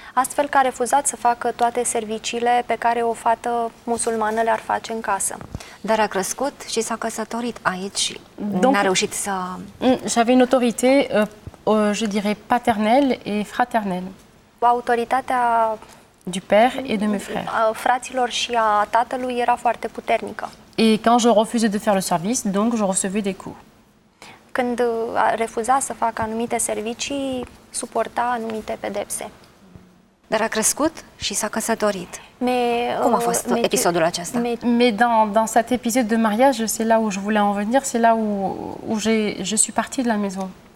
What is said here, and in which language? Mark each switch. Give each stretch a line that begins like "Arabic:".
Romanian: Astfel că a refuzat să facă toate serviciile pe care o fată musulmană le-ar face în casă. Dar a crescut și s-a căsătorit aici și donc, n-a reușit să...
French: J'avais une autorité, je dirais, paternelle et fraternelle.
Romanian: Autoritatea
French: du père et de mes frères.
Romanian: Fraților și a tatălui era foarte puternică.
French: Et quand je refusais de faire le service, donc je recevais des coups.
Romanian: Când refuza să fac anumite servicii, suporta anumite pedepse. Dar a crescut și s-a căsătorit. Cum a fost episodul acesta?
French: Mais dans cet épisode de mariage, c'est là où je voulais en venir, c'est là où je suis partie de la maison.